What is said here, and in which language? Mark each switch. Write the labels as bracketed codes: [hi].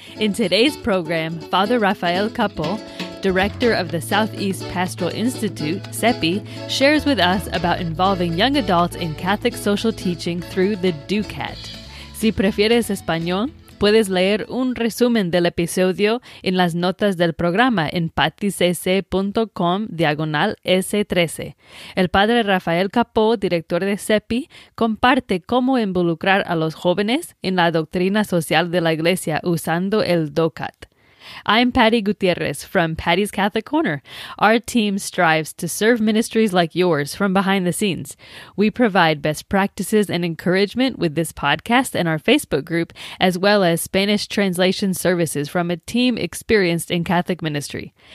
[en] In today's program, Father Rafael Capo, director of the Southeast Pastoral Institute, CEPI, shares with us about involving young adults in Catholic social teaching through the DOCAT. [es] Si prefieres español, puedes leer un resumen del episodio en las notas del programa en paticc.com/S13. El padre Rafael Capó, director de CEPI, comparte cómo involucrar a los jóvenes en la doctrina social de la iglesia usando el DOCAT. [en] I'm Patty Gutierrez from Patty's Catholic Corner. Our team strives to serve ministries like yours from behind the scenes. We provide best practices and encouragement with this podcast and our Facebook group, as well as Spanish translation services from a team experienced in Catholic ministry.